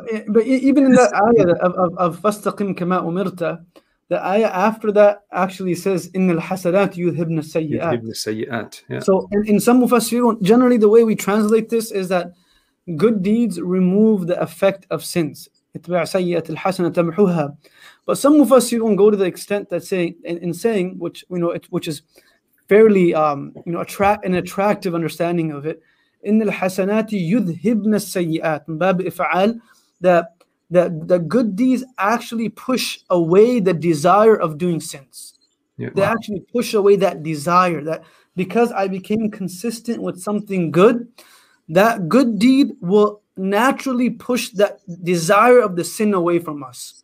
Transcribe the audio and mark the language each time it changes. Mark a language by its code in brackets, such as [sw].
[en] But even in the ayah of [ar] fastaqim kama umirta, [en] the ayah after that actually says, [ar] innal hasanat yudhibna sayyi'at. Yudhibna sayyi'at. [en] So in some mufassirun, generally the way we translate this is that good deeds remove the effect of sins. [ar] اتبع سيئة الحسنة تمحوها. [en] But some of us don't go to the extent that saying, which you know, which is fairly you know, an attractive understanding of it. [ar] إن الحسنات يذهبن السيئات. باب إفعال, [en] that the good deeds actually push away the desire of doing sins. Yeah. They actually push away that desire, that because I became consistent with something good, that good deed will naturally push that desire of the sin away from us.